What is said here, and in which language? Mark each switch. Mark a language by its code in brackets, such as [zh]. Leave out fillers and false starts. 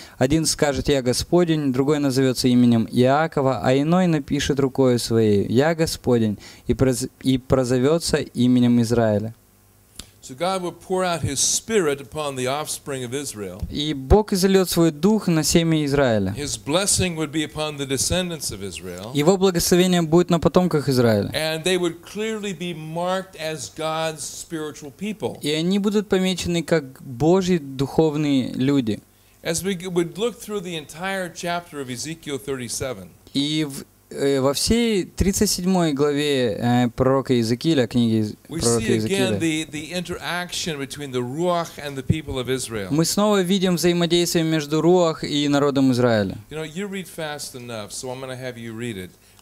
[ru] Один скажет «Я Господень», другой назовется именем Иакова, а иной напишет рукою своей «Я Господень» и прозовется именем Израиля. [en] So God will pour out His Spirit upon the offspring of Israel. [ru] И Бог изольет свой дух на семя Израиля. [en] His blessing would be upon the descendants of Israel. [ru] Его благословение будет на потомках Израиля. [en] And they would clearly be marked as God's spiritual people. [ru] И они будут помечены как Божьи духовные люди. [en] As we would look through the entire chapter of Ezekiel 37. [ru] И во всей 37 главе пророка Иезекииля, книги пророка Иезекииля, мы снова видим взаимодействие между Руах и народом Израиля. [en] You know, you read fast enough, so I'm going to have you read it.